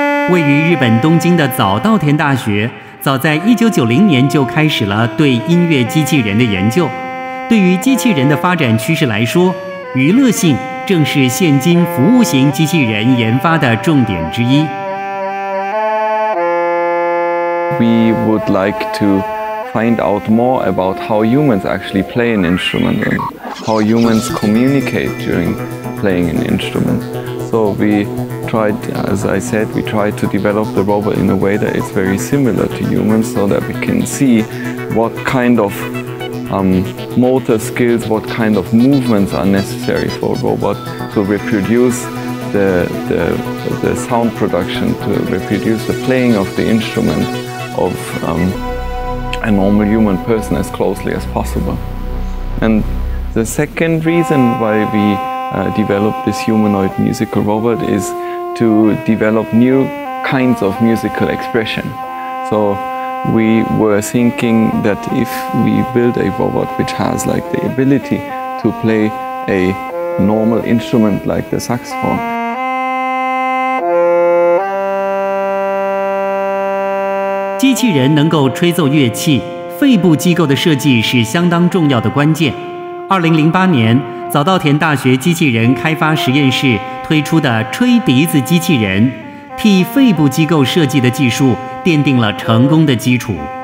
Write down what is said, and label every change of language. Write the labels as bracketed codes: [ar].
[zh] 位于日本东京的早稻田大学，早在1990年就开始了对音乐机器人的研究。对于机器人的发展趋势来说，娱乐性正是现今服务型机器人研发的重点之一。 [en] We would like to find out more about how humans actually play an instrument and how humans communicate during playing an instrument. So we tried, as I said, we tried to develop the robot in a way that is very similar to humans, so that we can see what kind of motor skills, what kind of movements are necessary for a robot to reproduce the sound production, to reproduce the playing of the instrument of a normal human person as closely as possible. And the second reason why we developed this humanoid musical robot is to develop new kinds of musical expression. So we were thinking that if we build a robot which has like the ability to play a normal instrument like the saxophone, [zh] 机器人能够吹奏乐器，肺部机构的设计是相当重要的关键。 2008年，早稻田大学机器人开发实验室推出的吹笛子机器人，替肺部机构设计的技术奠定了成功的基础。